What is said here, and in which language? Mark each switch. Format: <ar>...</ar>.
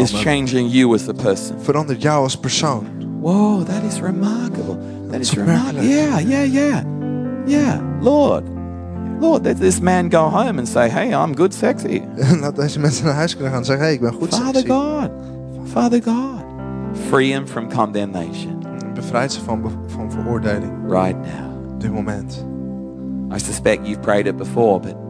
<en>Is changing you as a person.</en> <nl>Verandert jou als persoon.</nl> <en>Whoa, that is remarkable. That is remarkable. Yeah. Yeah, Lord, let this man go home and say, hey, I'm good sexy.</en> <nl>Laat deze mensen naar huis kunnen gaan en zeggen, hey, ik ben goed sexy.</nl> <en>Father God, free him from condemnation.</en> <nl>Bevrijd ze van van veroordeling.</nl> <en>Right now.</en> <nl>Dit moment.</nl> <en>I suspect you've prayed it before, but</en>